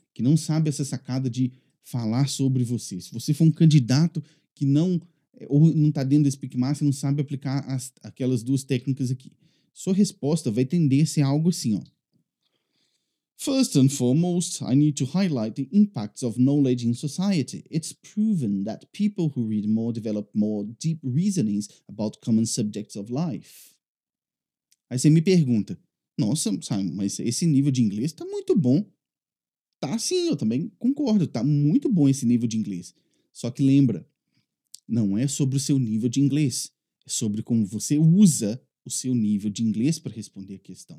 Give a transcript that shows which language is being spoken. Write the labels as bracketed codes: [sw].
[pt] Que não sabe essa sacada de falar sobre você. Se você for um candidato que não... ou não está dentro do Speak Master, não sabe aplicar aquelas duas técnicas aqui. Sua resposta vai tender a ser algo assim, ó. [en] First and foremost, I need to highlight the impacts of knowledge in society. It's proven that people who read more develop more deep reasonings about common subjects of life. [pt] Aí você me pergunta, nossa, Simon, mas esse nível de inglês tá muito bom. Tá sim, eu também concordo, tá muito bom esse nível de inglês. Só que lembra, não é sobre o seu nível de inglês, é sobre como você usa o seu nível de inglês para responder a questão.